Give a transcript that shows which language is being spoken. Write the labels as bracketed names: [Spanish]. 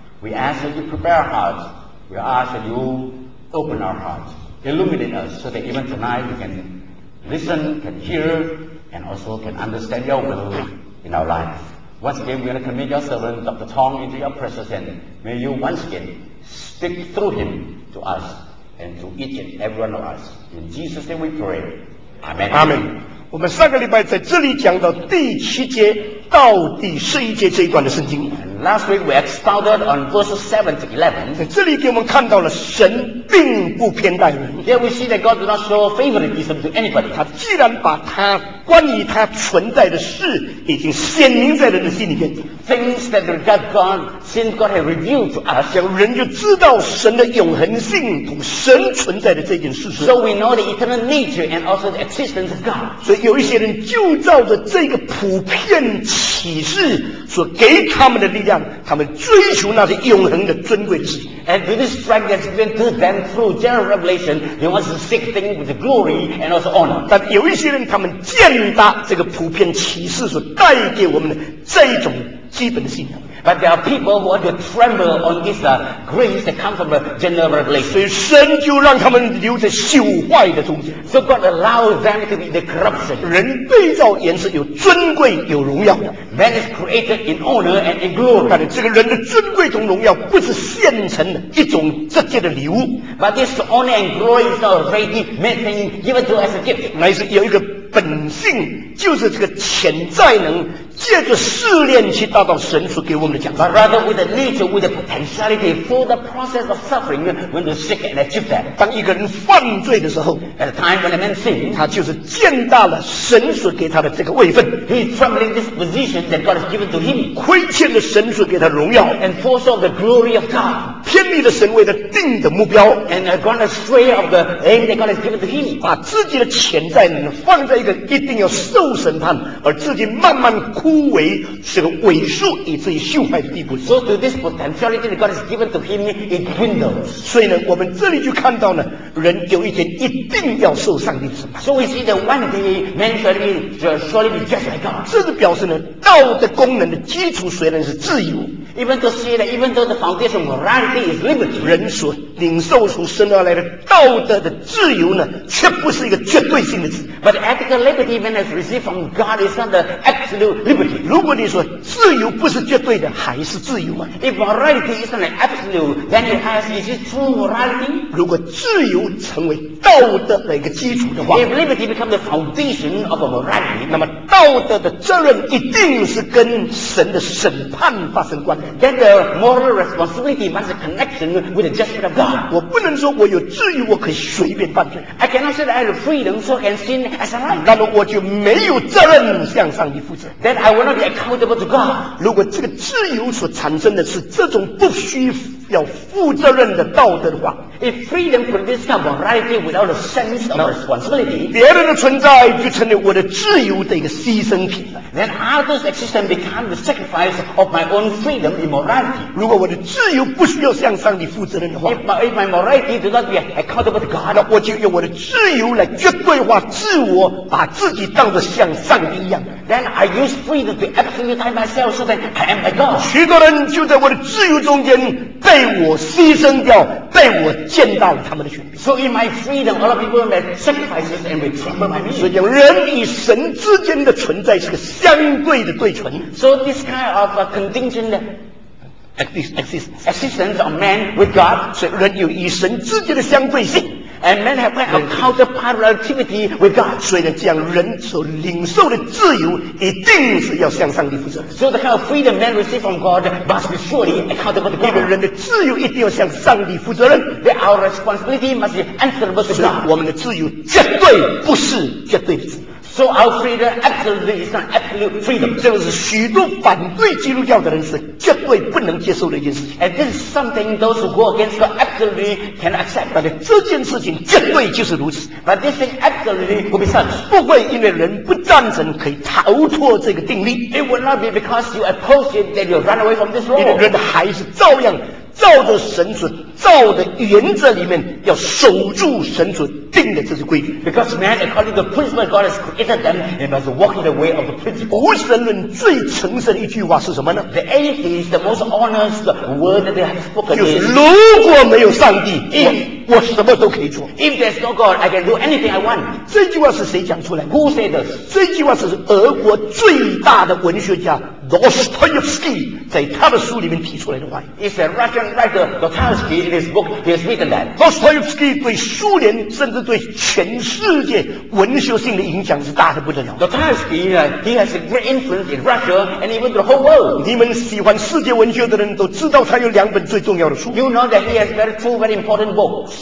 [English] We ask that you prepare our hearts. We ask that you open our hearts, illuminate us, so that even tonight we can listen, can hear, and also can understand your will in our life. Once again, we are going to commit your servant, Dr. Tong, into your presence, and may you once again speak through him to us and to each and every one of us. In Jesus' name we pray. Amen. Amen. [Chinese] 我们上个礼拜在这里讲到第七节到第十一节这一段的圣经。 [English] Last week we expounded on verses 7 to 11. [Chinese] 在这里给我们看到了神并不偏待人。 [English] Here we see that God does not show favoritism to anybody. [Chinese] 他既然把他关于他存在的事已经显明在人的心里面。 [English] Things that regard God, since God has revealed to us, [Chinese] 让人就知道神的永恒性同神存在的这件事实。 [English] So we know the eternal nature and also the existence of God. [Chinese] 所以有一些人就照着这个普遍启示所给他们的力量，他们追求那些永恒的尊贵之。 [English] And with this strength that's given to them through general revelation, they want to seek things with the glory and also honor. [Chinese] 但有一些人，他们践踏这个普遍启示所带给我们的这种。基本的信仰。 [English] But there are people who want to tremble on this grace that comes from a general revelation. [Chinese] 所以神就让他们留在朽坏的中间。 [English] So God allows them to be the corruption. [Chinese] 人被造原是有尊贵有荣耀的。 [English] Man is created in honor and in glory. [Chinese] 但是这个人的尊贵同荣耀不是现成的一种直接的礼物。 [English] But this honor and glory is not ready made thing given to us as a gift. [Chinese] 乃是有一个本性，就是这个潜在能借着试炼去达到神所给我们的奖赏。 [English] But rather with the nature, with the potentiality for the process of suffering, when you seek and achieve that. [Chinese] 当一个人犯罪的时候 [English] ，at the time when a man sins, [Chinese] 他就是践踏了神所给他的这个位分。 [English] He is troubling this position that God has given to him. [Chinese] 亏欠了神所给他的荣耀 [English] ，and falls of the glory of God. [Chinese] 偏离了神为他定的目标 [English] ，and gone astray of the aim that God has given to him. [Chinese] 把自己的潜在能放在一个一定要受审判，而自己慢慢枯萎，是个萎缩以至于朽坏的地步。 [English] So to this potentiality that God has given to him, it dwindles. [Chinese] 所以呢，我们这里就看到呢，人有一天一定要受上帝审判。 [English] So we see that one day man shall surely be judged by God. [Chinese] 这个表示呢，道的功能的基础虽然是自由。 [English] Even though say that, even though the foundation of morality is liberty, [Chinese] 人所领受从神而来的道德的自由呢，却不是一个绝对性的自由。 [English] But ethical liberty, even as received from God, is not the absolute liberty. [Chinese] 如果你说自由不是绝对的，还是自由吗 [English] ？If morality is not absolute, then it has is it true morality? [Chinese] 如果自由成为道德的一个基础的话 [English] ，If liberty becomes the foundation of a morality, [Chinese] 那么道德的责任一定是跟神的审判发生关。 [English] Then the moral responsibility must have connection with the judgment of God. [Chinese] 我不能说我有自由，我可以随便犯罪。 [English] I cannot say that I have freedom, so I can sin as I like. [Chinese] 那么我就没有责任向上帝负责。 [English] Then I will not be accountable to God. [Chinese] 如果这个自由所产生的是这种不需要负责任的道德的话 [English] ，If freedom produces kind of morality without a sense of responsibility, [Chinese] 别人的存在就成了我的自由的一个牺牲品了。 [English] Then others' existence becomes the sacrifice of my own freedom. [Chinese] 如果我的自由不需要向上帝负责任的话 [English] if my morality does not be accountable to God [Chinese] 那我就用我的自由来绝对化自我把自己当作像上帝一样 [English] then I use freedom to absolutize myself so that I am my God [Chinese] 许多人就在我的自由中间被我牺牲掉被我践踏了他们的权利 [English] so in my freedom a lot of people make sacrifices and retrieve my means [Chinese] 所以人与神之间的存在是个相对的对存 [English] so this kind of a contingentexistence of man with God [Chinese] 所以人有与神之间的相对性 [English] and man have a counterpart relativity with God [Chinese] 所以这样人所领受的自由一定是要向上帝负责 [English] so the kind of freedom man receive from God must be surely accountable to God [Chinese] 因为人的自由一定要向上帝负责任 [English] that our responsibility must be answerable to God [Chinese] 所以我们的自由绝对不是绝对的自由 [English] So our freedom absolutely is not absolute freedom. [Chinese] 这个是许多反对基督教的人是绝对不能接受的一件事情。 [English] And this is something those who go against God absolutely can accept. [Chinese] 但是这件事情绝对就是如此。 [English] But this thing absolutely will be such. [Chinese] 不会因为人不赞成可以逃脱这个定律。 [English] It will not be because you oppose it that you run away from this law. [Chinese] 因为人还是照样照着神所造的原则里面要守住神所定的这些规矩 [English] because man according to the principle God has created them they must walk in the way of the principle [Chinese] 无神论最诚实的一句话是什么呢 [English] the atheist the most honest word that they have spoken [Chinese] 就是如果没有上帝 我什么都可以做 [English] if there's no God I can do anything I want [Chinese] 这句话是谁讲出来的 [English] who said this [Chinese] 这句话是俄国最大的文学家 Dostoevsky 在他的书里面提出来的话 [English] it's a Russian writer Dostoevsky In his book, he has written that. [Chinese] Dostoevsky 对苏联甚至对全世界文学性的影响是大得不得了。 [English] Dostoevsky, he has a great influence in Russia and even the whole world. [Chinese] 你们喜欢世界文学的人都知道他有两本最重要的书。 [English] You know that he has very two very important books.